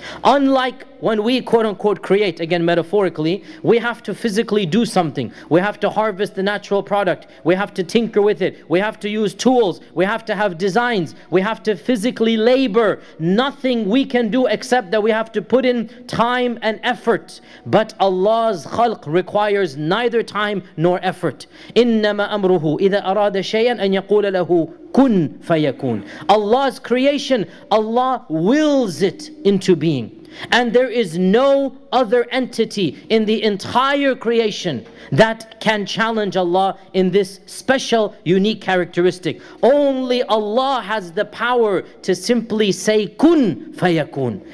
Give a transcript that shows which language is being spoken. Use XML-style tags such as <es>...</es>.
<en>Unlike when we quote unquote create, again metaphorically, we have to physically do something. We have to harvest the natural product. We have to tinker with it. We have to use tools. We have to have designs. We have to physically labor. Nothing we can do except that we have to put in time and effort. But Allah's khalq requires neither time nor effort.</en> <ar>إِنَّمَا أَمْرُهُ إِذَا أَرَادَ شَيْئًا أَنْ يَقُولَ لَهُ كُنْ فَيَكُونَ.</ar> <en>Allah's creation, Allah wills it into being. And there is no other entity in the entire creation that can challenge Allah in this special, unique characteristic. Only Allah has the power to simply say kun fayakun.</en>